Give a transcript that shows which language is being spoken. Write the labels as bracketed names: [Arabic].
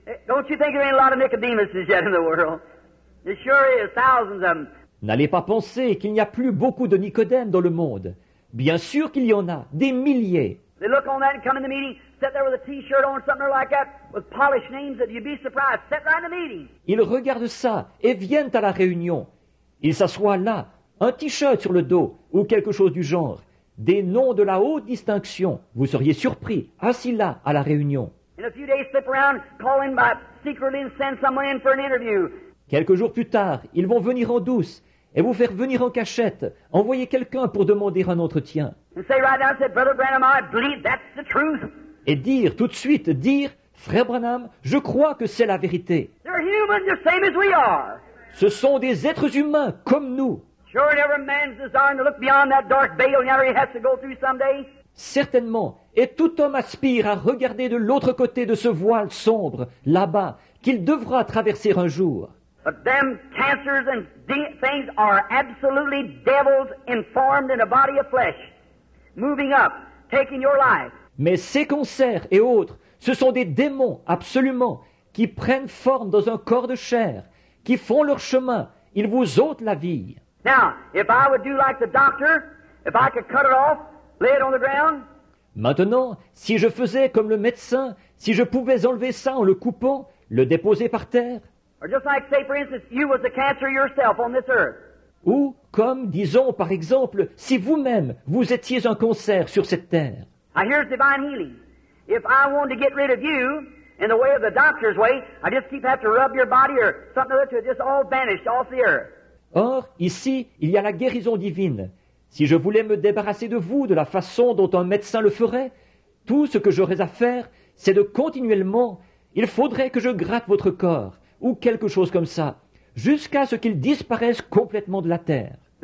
[English] Don't you think there ain't a lot of Nicodemuses yet in the world? There sure is, thousands of them. [French] N'allez pas penser qu'il n'y a plus beaucoup de Nicodèmes dans le monde. Bien sûr qu'il y en a, des milliers. [English] They look on that and come in the meeting, sit there with a t-shirt on, something like that, with polished names, that you'd be surprised, sit right in the meeting. [French] Ils regardent ça et viennent à la réunion. Ils s'assoient là, un t-shirt sur le dos, ou quelque chose du genre. Des noms de la haute distinction. Vous seriez surpris, assis là, à la réunion. [English] In a few days, slip around, call in by secretly and send someone in for an interview. [French] Quelques jours plus tard, ils vont venir en douce et vous faire venir en cachette, envoyer quelqu'un pour demander un entretien. [English] And say right now, say, Brother Branham, I believe that's the truth. [French] Et dire tout de suite, dire, Frère Branham, je crois que c'est la vérité. [English] They're human, the same as we are. [French] Ce sont des êtres humains comme nous. [English] Sure, and every man's desire to look beyond that dark veil, and he has to go through someday. [French] Certainement, et tout homme aspire à regarder de l'autre côté de ce voile sombre, là-bas, qu'il devra traverser un jour. [English] But them cancers and things are absolutely devils informed in a body of flesh, moving up, taking your life. [French] Mais ces cancers et autres, ce sont des démons, absolument, qui prennent forme dans un corps de chair, qui font leur chemin, ils vous ôtent la vie. [English] Now, if I would do like the doctor, if I could cut it off, lay it on the ground. [French] Maintenant, si je faisais comme le médecin, si je pouvais enlever ça en le coupant, le déposer par terre. [English] Or just like, say, for instance, you was the cancer yourself on this earth. [French] Ou comme, disons, par exemple, si vous-même, vous étiez un cancer sur cette terre. [English] Now here's divine healing. If I wanted to get rid of you, in the way of the doctor's way. I just keep having to rub your body or something other to it, just all vanished off the earth. [French] Or, ici, il y a la guérison divine. Si je voulais me débarrasser de vous de la façon dont un médecin le ferait, tout ce que j'aurais à faire, c'est de continuellement, il faudrait que je gratte votre corps, ou quelque chose comme ça, jusqu'à ce qu'il disparaisse complètement de la terre.